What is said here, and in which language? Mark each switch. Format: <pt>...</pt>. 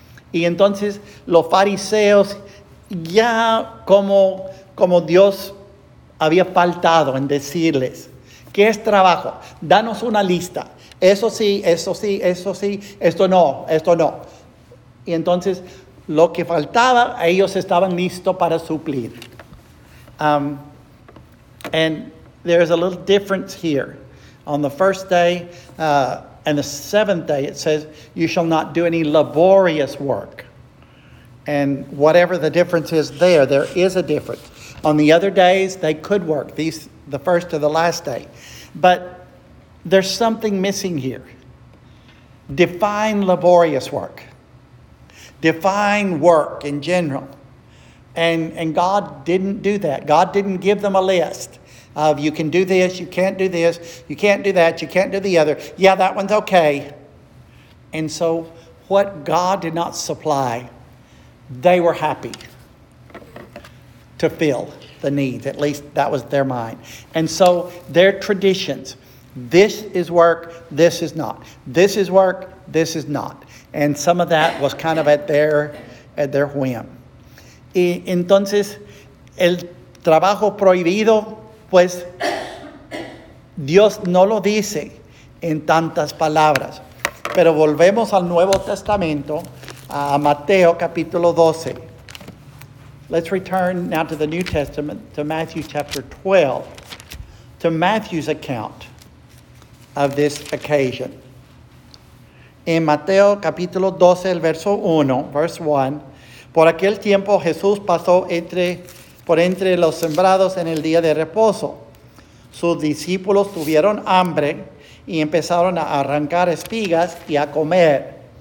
<es>Y entonces los fariseos, ya como Dios había faltado en decirles, ¿qué es trabajo? Danos una lista. Eso sí, eso sí, eso sí, esto no, esto no. Y entonces lo que faltaba, ellos estaban listos para suplir.</es> <en>And there's a little difference here. On the first day and the seventh day, it says, you shall not do any laborious work. And whatever the difference is there, there is a difference. On the other days, they could work, the first to the last day. But there's something missing here. Define laborious work. Define work in general. And God didn't do that. God didn't give them a list of you can do this, you can't do this, you can't do that, you can't do the other. Yeah, that one's okay. And so what God did not supply, they were happy to fill the need. At least that was their mind. And so their traditions, this is work, this is not. This is work, this is not. And some of that was kind of at their whim.</en> <es>Y entonces, el trabajo prohibido, pues Dios no lo dice en tantas palabras. Pero volvemos al Nuevo Testamento, a Mateo capítulo 12.</es> <en>Let's return now to the New Testament, to Matthew chapter 12, to Matthew's account of this occasion.</en> <es>En Mateo capítulo 12, el verso 1,</es> <en>verse 1,</en> <es>por aquel tiempo Jesús pasó entre los sembrados en el día de reposo. Sus discípulos tuvieron hambre y empezaron a arrancar espigas y a comer.</es>